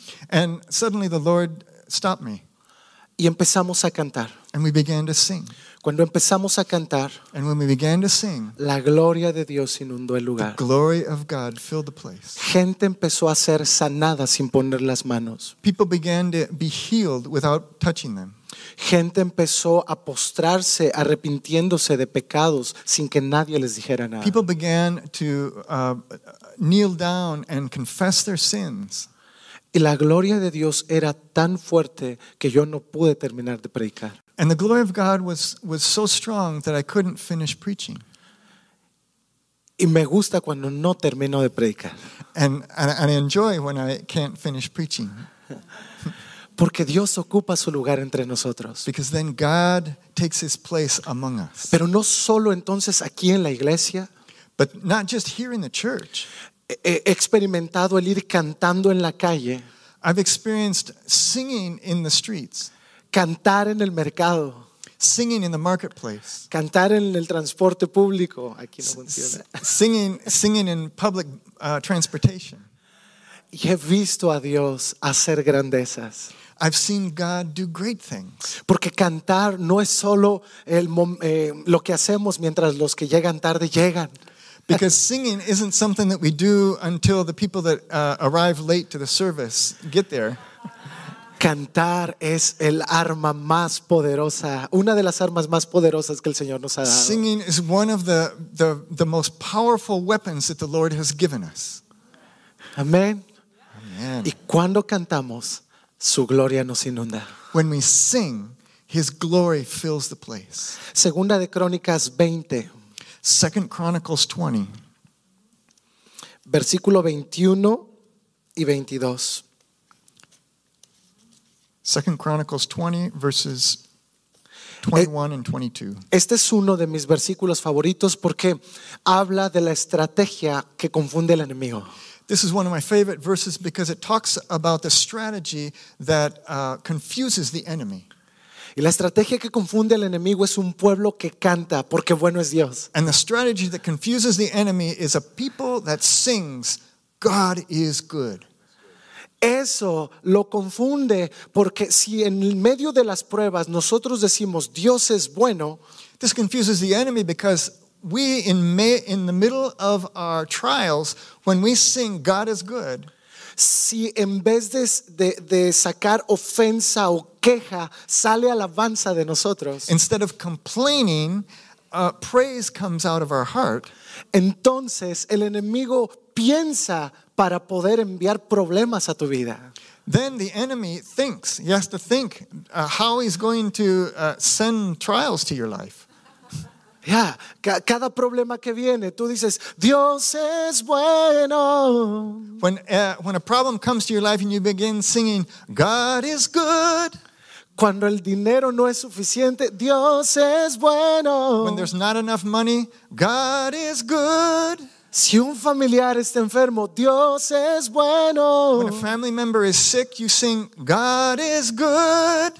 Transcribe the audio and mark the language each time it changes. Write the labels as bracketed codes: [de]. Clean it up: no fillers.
[en] And suddenly the Lord stopped me. [es] Y empezamos a cantar. [en] And we began to sing. [es] Cuando empezamos a cantar, [en] and when we began to sing, [es] la gloria de Dios inundó el lugar. [en] The glory of God filled the place. [es] Gente empezó a ser sanada sin poner las manos. [en] People began to be healed without touching them. [es] Gente empezó a postrarse arrepintiéndose de pecados sin que nadie les dijera nada. [en] People began to kneel down and confess their sins. [es] Y la gloria de Dios era tan fuerte que yo no pude terminar de predicar. [en] And the glory of God was so strong that I couldn't finish preaching. [es] Y me gusta cuando no termino de predicar. [en] And I enjoy when I can't finish preaching. [es] Porque Dios ocupa su lugar entre nosotros. [en] Because then God takes his place among us. [es] Pero no solo entonces aquí en la iglesia. [en] But not just here in the church. [es] He experimentado el ir cantando en la calle. [en] I've experienced singing in the streets. [es] Cantar en el mercado. [en] Singing in the marketplace. [es] Cantar en el transporte público. Aquí no funciona. [en] Singing in public transportation. [es] Y he visto a Dios hacer grandezas. [en] I've seen God do great things. [es] Porque cantar no es solo lo que hacemos mientras los que llegan tarde llegan. [en] Because singing isn't something that we do until the people that arrive late to the service get there. [es] Cantar es el arma más poderosa, una de las armas más poderosas que el Señor nos ha dado. [en] Singing is one of the most powerful weapons that the Lord has given us. [es] Amén. [en] Amen. [es] Y cuando cantamos, su gloria nos inunda. [en] When we sing, his glory fills the place. [es] Segunda de Crónicas 20. [en] Second Chronicles 20. [es] Versículo 21 y 22. [en] 2 Chronicles 20, verses 21 and 22. [es] Este es uno de mis versículos favoritos porque habla de la estrategia que confunde al enemigo. [en] This is one of my favorite verses because it talks about the strategy that confuses the enemy. [es] Y la estrategia que confunde al enemigo es un pueblo que canta porque bueno es Dios. [en] And the strategy that confuses the enemy is a people that sings, God is good. [es] Eso lo confunde porque si en medio de las pruebas nosotros decimos Dios es bueno, [en] this confuses the enemy because we in the middle of our trials when we sing God is good, [es] si en vez de sacar ofensa o queja sale alabanza de nosotros, [en] instead of complaining, praise comes out of our heart, [es] entonces el enemigo piensa para poder enviar problemas a tu vida. [en] Then the enemy thinks, he has to think how he's going to send trials to your life. [es] Yeah, cada problema que viene, tú dices, Dios es bueno. [en] When a problem comes to your life and you begin singing, God is good. [es] Cuando el dinero no es suficiente, Dios es bueno. [en] When there's not enough money, God is good. [es] Si un familiar está enfermo, Dios es bueno. [en] When a family member is sick, you sing, God is good.